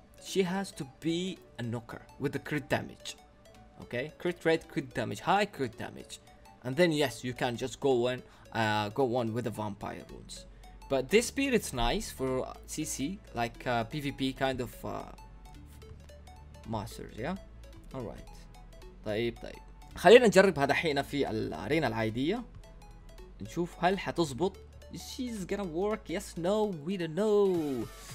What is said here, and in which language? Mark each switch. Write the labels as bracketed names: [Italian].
[English] She has to be a knocker with the crit damage, okay? Crit rate, crit damage, high crit damage. And then yes, you can just go on with the vampire wounds. But this spear is nice for CC, like PvP kind of masters, yeah? Alright. طيب. [Arabic] خلينا نجرب هذا حين في الارينا العادية. نشوف هل هتزبط. [English] She's gonna work, yes, no, we don't know.